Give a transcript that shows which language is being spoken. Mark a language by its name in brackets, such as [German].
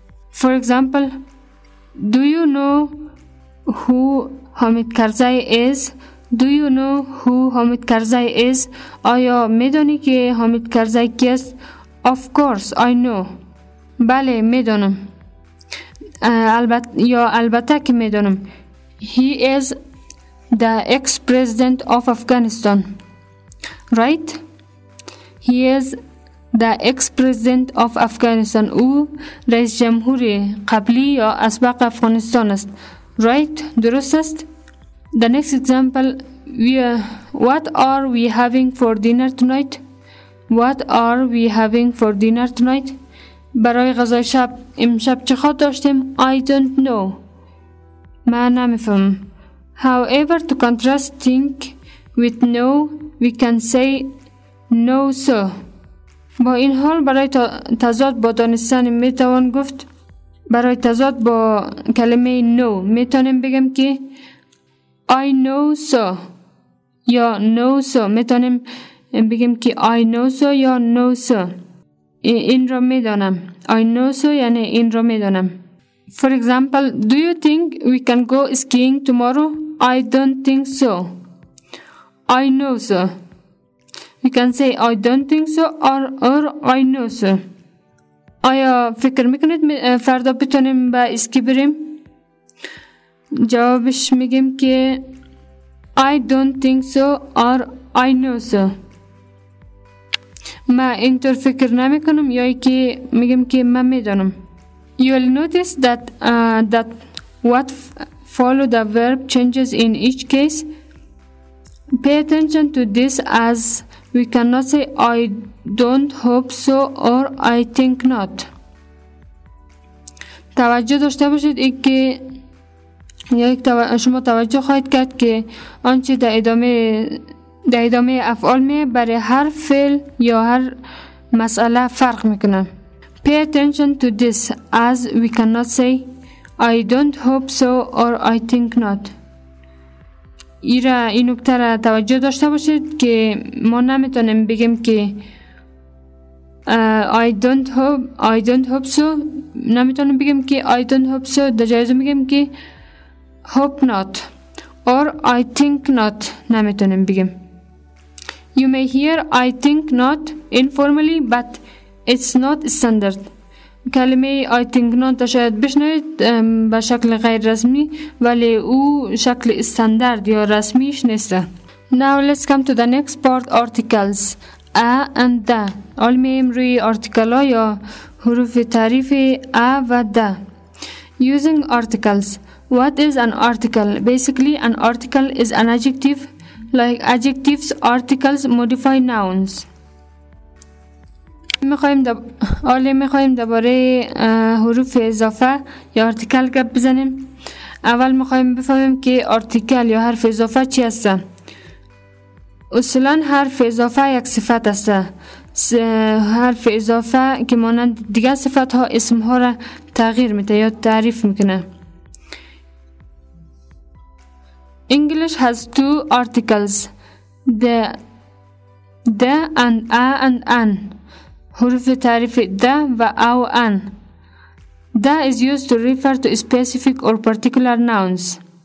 [English] For example, do you know who Hamid Karzai is? Do you know who Hamid Karzai is? [Persian] آیا میدونی که حامد کرزی کیست؟ Of course, I know. بله میدونم. البته که میدونم. [English] He is the ex-president of Afghanistan. Right? He is the ex-president of Afghanistan. [Persian] او رئیس جمهور قبلی یا اسبق افغانستان است. [English] Right? درست است؟ The next example, what are we having for dinner tonight? What are we having for dinner tonight? [Persian] برای غذای شب امشب چه خواهد داشتیم؟ I don't know. من نمیفهم. [English] However, to contrast think with no, we can say no so. [Persian] با این حال برای تضاد با دانستن میتوان گفت برای تضاد با کلمه no میتونیم بگم که I know so یا know so میتونیم بگیم که I know so یا know so این را میدانم. I know so یعنی این را میدانم. [English] For example, do you think we can go skiing tomorrow? I don't think so. I know so. We can say I don't think so or I know so. [Persian] آیا فکر میکنید فردا بتونیم با اسکی بریم؟ جوابش میگیم که I don't think so or I know so. ما اینطور فکر نمی کنم یا که میگیم که من میدونم. [English] You will notice that that what follow the verb changes in each case. Pay attention to this as we cannot say I don't hope so or I think not. [Persian] توجه داشته باشید که شما توجه خواهید کرد که آنچه در ادامه افعال می برای هر فعل یا هر مسئله فرق میکنه. [English] Pay attention to this as we cannot say I don't hope so or I think not. [Persian] این نکته را توجه داشته باشید که ما نمیتونیم بگیم که I don't hope so. نمیتونیم بگیم که I don't hope so. در جایزه میگیم که hope not or I think not. نمیتونیم بگیم. [English] You may hear I think not informally, but it's not standard. [Persian] کلمه I think not شاید بشنوید به شکل غیر رسمی ولی او شکل استاندارد یا رسمیش نیست. [English] Now let's come to the next part, articles. A and the. [Persian] حالا میایم روی آرتیکل ها یا حروف تعریف A و the. [English] Using articles. What is an article? Basically, an article is an adjective. Like adjectives, articles modify nouns. [Persian] میخوایم دوباره حروف اضافه یا آرتیکل گپ بزنیم. اول میخوایم بفهمیم که آرتیکل یا حرف اضافه چی هست. اصلا حرف اضافه یک صفت است. حرف اضافه که مانند دیگه صفت ها اسم ها را تغییر میده یا تعریف میکنه. [English] English has two articles, the and a and an. [Persian] حروف تعریف the و a و an. [English] The is used to refer to specific or particular nouns.